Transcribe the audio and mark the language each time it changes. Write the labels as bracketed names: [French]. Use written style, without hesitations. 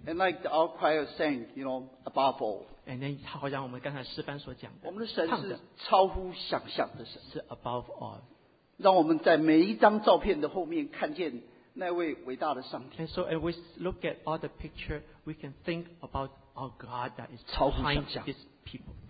[English] And like our choir sang, you know, above all. And then [Chinese] 好像我们刚才诗班所讲的，我们的神是超乎想象的神，是 [English] above all. [Chinese] 让我们在每一张照片的后面看见。那位伟大的上帝。 [English] And so as we look at all the picture, we can think about our God that is behind these people.